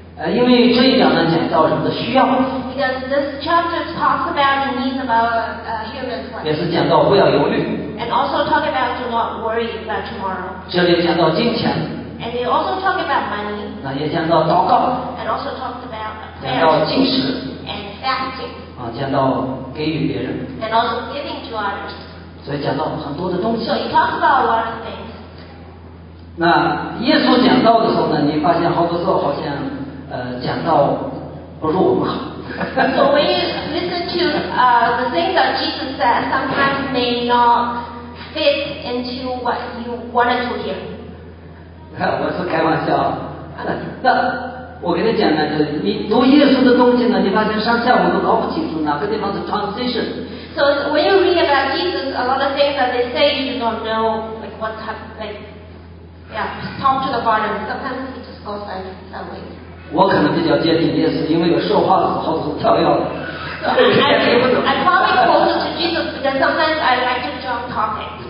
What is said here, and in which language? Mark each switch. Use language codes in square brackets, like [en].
[zh] 因为这一讲呢讲到人的需要。 [en] Because this chapter talks about the needs of our human life. [zh] 也是讲到不要忧虑。 [en] And also talk about do not worry about tomorrow. [zh] 这里讲到金钱。 [en] And they also talk about money. [zh] 那也讲到祷告。 [en] And also talked about prayer. [zh] 讲到进食。 [en] And fasting. [zh] 讲到给予别人。 [en] And also giving to others. [zh] 所以讲到很多的东西。 [en] So he talks about a lot of things. [zh] 那耶稣讲到的时候呢，你发现好多时候好像。讲到不如我们好。 [en] So when you listen to the things that Jesus said, sometimes may not fit into what you wanted to hear. [zh] 我是开玩笑。那我跟你讲呢，就你读耶稣的东西呢，你发现上下文都搞不清楚哪个地方是 transition。 [en] So when you read about Jesus, a lot of things that they say you do not know, like what's happening. Yeah, talk to the bottom. Sometimes it just goes like that way. [zh] 我可能比较接近耶稣，因为我说话的时候是跳跃的。 [en] I probably closer to Jesus because sometimes I like to jump topics.